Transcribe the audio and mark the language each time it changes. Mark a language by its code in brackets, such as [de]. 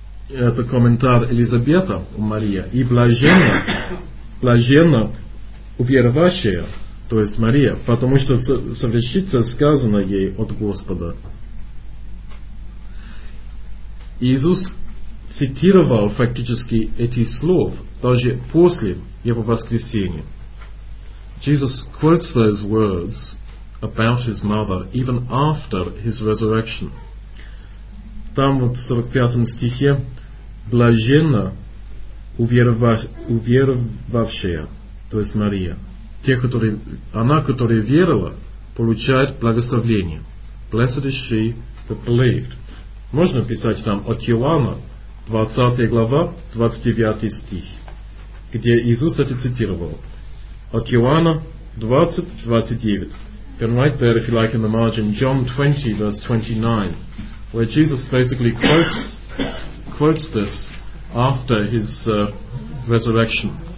[ru] Это комментарий Елизавета у Марии. И блаженна, блаженна уверовавшая, то есть Мария, потому что совершится сказано ей от Господа. Иисус цитировал фактически эти слова даже после его воскресения. [en] Jesus quotes those words about his mother even after his resurrection. [ru] Там вот в 45 стихе блаженна уверовавшая, то есть Мария. Те, которые, она, которая веровала, получает благословение. [en] Blessed is she that believed. [ru] Можно писать там от Иоанна, 20 глава, 29 стих, где Иисус это цитировал. От Иоанна 20:29. [en] You can write there, if you like, in the margin, John 20, verse 29, where Jesus basically quotes this after his resurrection.